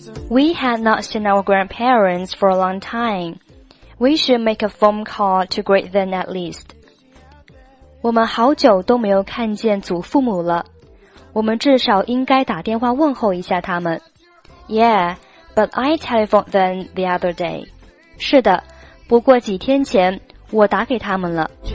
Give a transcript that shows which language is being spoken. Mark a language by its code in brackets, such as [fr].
[en] We had not seen our grandparents for a long time. We should make a phone call to greet them at least. [zh] 我们好久都没有看见祖父母了。我们至少应该打电话问候一下他们。 [en] Yeah, but I telephoned them the other day. [zh] 是的，不过几天前我打给他们了。